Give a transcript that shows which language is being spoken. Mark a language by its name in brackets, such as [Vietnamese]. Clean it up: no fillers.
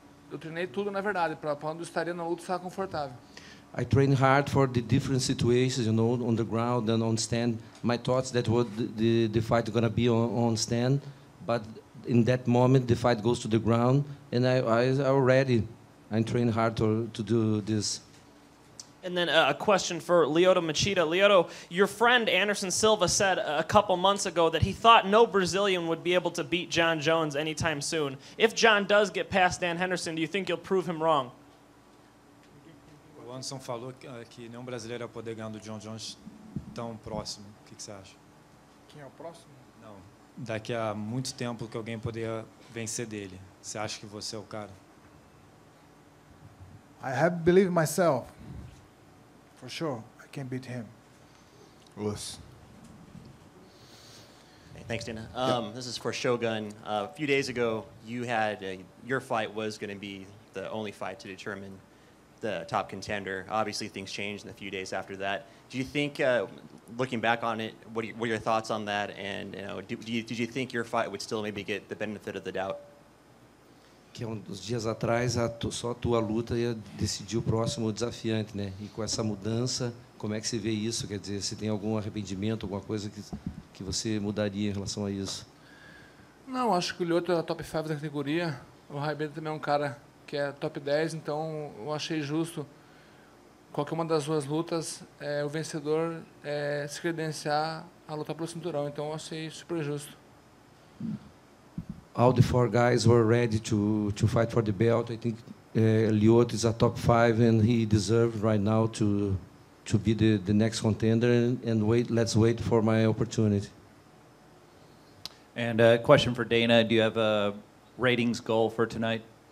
[Portuguese] Eu treinei tudo, na verdade, para quando estaria na luta estar confortável. [English] I trained hard for the different situations, you know, on the ground and on stand. My thoughts that what the fight gonna be on stand, but in that moment the fight goes to the ground and I already I'm training hard to do this. And then a question for Lyoto Machida. Lyoto, your friend Anderson Silva said a couple months ago that he thought no Brazilian would be able to beat John Jones anytime soon. If John does get past Dan Henderson, do you think you'll prove him wrong? [Portuguese] O Anderson falou que nenhum brasileiro ia poder ganhar do John Jones tão próximo. O que você acha? quem é o próximo? Não. Daqui a muito tempo que alguém poderia vencer dele. Você acha que você é o cara? [English] I have believed myself. For sure, I can beat him. Luz. Thanks, Dana. This is for Shogun. A few days ago, you had your fight was going to be the only fight to determine the top contender. Obviously, things changed in the few days after that. Do you think, looking back on it, what are your thoughts on that? And you know, did you think your fight would still maybe get the benefit of the doubt? [Portuguese] Que uns dias atrás só a tua luta ia decidir o próximo desafiante, né? E com essa mudança, como é que você vê isso? Quer dizer, se tem algum arrependimento, alguma coisa que você mudaria em relação a isso? Não, acho que o Lyoto é a top 5 da categoria. O Raibê também é um cara que é top 10, então eu achei justo qualquer uma das duas lutas, o vencedor se credenciar a lutar pelo cinturão. Então eu achei super justo. [English] All the four guys were ready to fight for the belt. I think Lyoto is a top 5 and he deserves right now to be the next contender, and let's wait for my opportunity. And a question for Dana, do you have a ratings goal for tonight?